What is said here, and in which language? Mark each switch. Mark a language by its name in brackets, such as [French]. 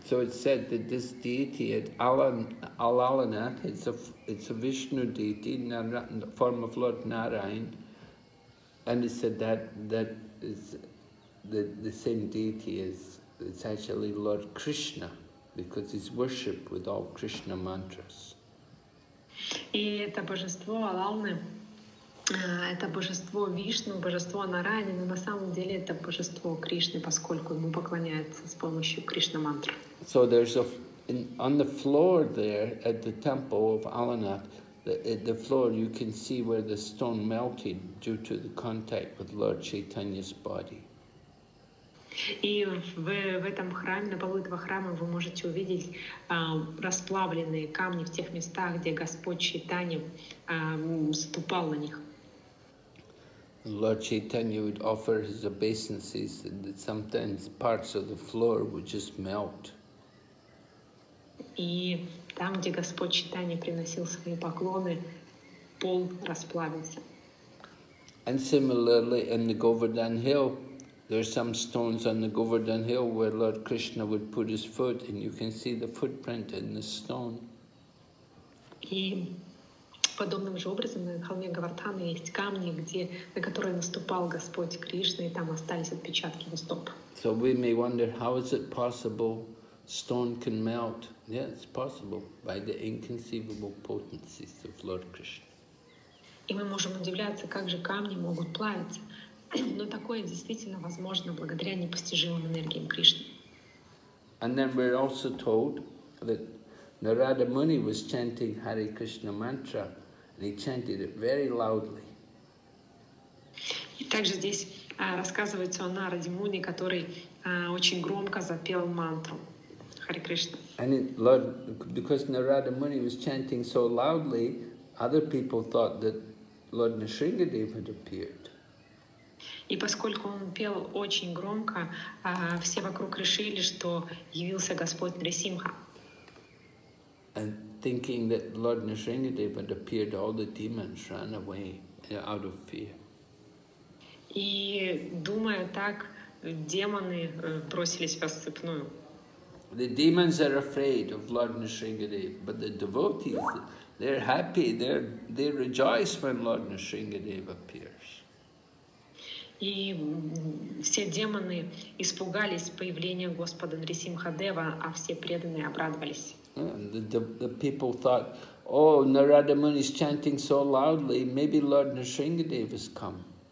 [English] So it's said that this deity at Alalnath, it's a Vishnu deity, in the form of Lord Narayan, and it's said that is the same deity as, it's actually Lord Krishna, because he's worshipped with all Krishna mantras. [Russian] И это божество Алалны, это божество Вишну, божество Нараяны, но на самом деле это божество Кришны, поскольку ему поклоняется с помощью Кришна мантр. [English] So there's on the floor there at the temple of Alalnath, the floor you can see where the stone melted due to the contact with Lord Chaitanya's body. [Russian] И в этом храме, на полу этого храма, вы можете увидеть расплавленные камни в тех местах, где Господь Чайтанья ступал на них. [English] Lord Chaitanya would offer his obeisances, and sometimes parts of the floor would just melt. [Russian] И там, где Господь Чайтанья приносил свои поклоны, пол расплавился. [English] And similarly, in the Govardhan Hill, there are some stones on the Govardhan Hill where Lord Krishna would put his foot, and you can see the footprint in the stone. [Russian] И подобным же образом на холме Говардхана есть камни, на которые наступал Господь Кришна, и там остались отпечатки его стоп. [English] So we may wonder, how is it possible stone can melt? Yeah, it's possible by the inconceivable potencies of Lord Krishna. [Russian] И мы можем удивляться, как же камни могут плавиться, но такое действительно возможно благодаря непостижимым энергиям Кришны. [English] And then we're also told that Narada Muni was chanting Hare Krishna mantra, and he chanted it very loudly. [Russian] И также здесь рассказывается о Нараде Муни, который очень громко запел мантру Hare Krishna. [English] And because Narada Muni was chanting so loudly, other people thought that Lord Nrisimhadev had appeared. [Russian] И поскольку он пел очень громко, все вокруг решили, что явился Господь Нрисимха. [English] And thinking that Lord Nrisimhadeva had appeared, all the demons ran away out of fear. [Russian] И думая так, демоны бросились в рассыпную. [English] The demons are afraid of Lord Nrisimhadeva, but the devotees, they're happy, they rejoice when Lord Nrisimhadeva appears. [Russian] И все демоны испугались появления Господа Нрисимхадева, а все преданные обрадовались. [English] The people thought, oh, Narada Muni is chanting so loudly, maybe Lord Nrisimhadeva has come.